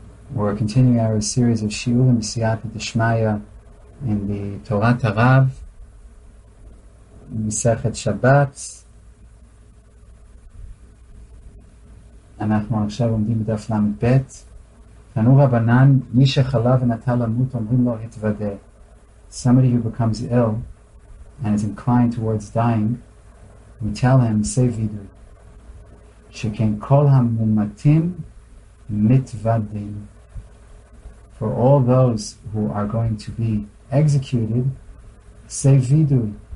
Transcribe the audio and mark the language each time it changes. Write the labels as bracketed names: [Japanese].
[English] We're continuing our series of Shiurim Siyata Deshmaya in the Torah Tarav, Masechet Shabbat. [Hebrew] אנחנו עכשיו עומדים בדף למד בית. תנו רבנן, מי שחלה ונטה למות, אומרים לו, התוודה. [English] Somebody who becomes ill and is inclined towards dying, we tell him, say vidui. [Hebrew] שכן כל המומתים מתוודים. [English] For all those who are going to be executed, say vidui.